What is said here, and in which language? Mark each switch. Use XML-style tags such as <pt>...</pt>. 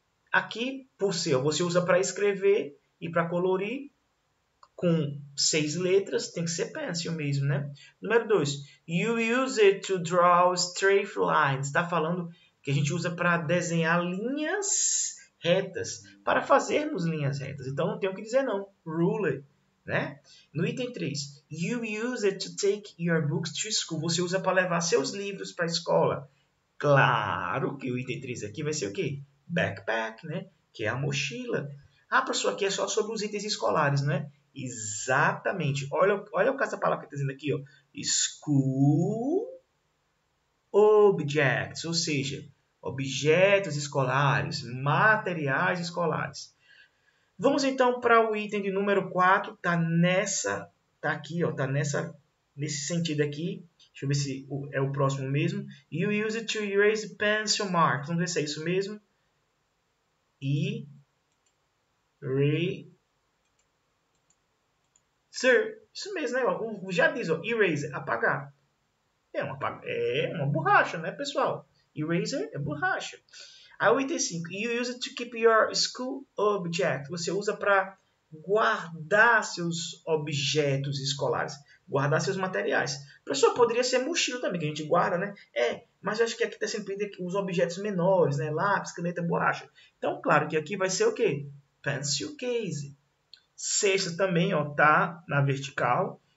<pt>Aqui, por ser, você usa para escrever e para colorir com seis letras, tem que ser pencil mesmo, né? Número 2.</pt> <en>You use it to draw straight lines.</en> <pt>Está falando que a gente usa para desenhar linhas retas, para fazermos linhas retas. Então não tem o que dizer, não. Ruler, né? No item 3.</pt> <en>You use it to take your books to school.</en> <pt>Você usa para levar seus livros para a escola. Claro que o item 3 aqui vai ser o quê? Backpack, né? Que é a mochila. Ah, professor, aqui é só sobre os itens escolares, não é? Exatamente. Olha o caso da palavra que está dizendo aqui, ó. School objects, ou seja, objetos escolares, materiais escolares. Vamos então para o item de número 4, tá nessa, tá aqui, ó, tá nessa nesse sentido aqui. Deixa eu ver se é o próximo mesmo.</pt> <en>You use it to erase pencil marks.</en> <pt>Vamos ver se é isso mesmo. E re Sir, isso mesmo, né? Já diz, ó, eraser, apagar. É uma borracha, né, pessoal? Eraser é borracha. Aí o item 5.</pt> <en>You use it to keep your school object.</en> <pt>Você usa para guardar seus objetos escolares, guardar seus materiais. Professor, poderia ser mochila também, que a gente guarda, né? É, mas eu acho que aqui está sempre os objetos menores, né? Lápis, caneta, borracha. Então, claro que aqui vai ser o quê? Pencil case. Sexta também, ó, tá na vertical.</pt>